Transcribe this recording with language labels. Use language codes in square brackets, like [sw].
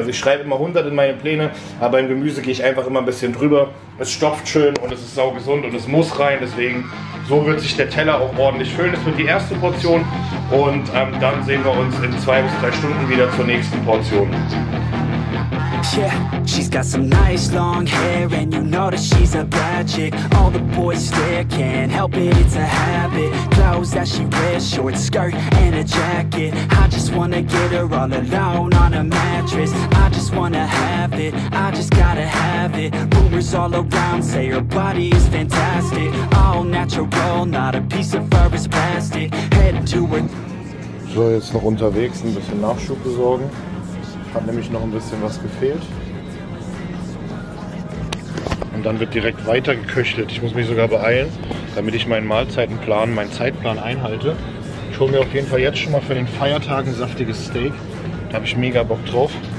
[de] Also ich schreibe immer 100 in meine Pläne, aber im Gemüse gehe ich einfach immer ein bisschen drüber. Es stopft schön und es ist saugesund und es muss rein, deswegen so wird sich der Teller auch ordentlich füllen. Das wird die erste Portion und dann sehen wir uns in 2 bis 3 Stunden wieder zur nächsten Portion. [en] Yeah, she's got some nice long hair and you know that she's a bad chick. All the boys stare, can't help it, it's a habit. Clothes that she wears, short skirt and a jacket. I just wanna get her all alone on a mattress. I just wanna have it, I just gotta have it. Rumors all around say her body is fantastic. All natural, not a piece of fur is plastic. Head to her. [de] So, jetzt noch unterwegs ein bisschen Nachschub besorgen. Hat nämlich noch ein bisschen was gefehlt. Und dann wird direkt weiter geköchelt. Ich muss mich sogar beeilen, damit ich meinen Mahlzeitenplan, meinen Zeitplan einhalte. Ich hole mir auf jeden Fall jetzt schon mal für den Feiertag ein saftiges Steak. Da habe ich mega Bock drauf.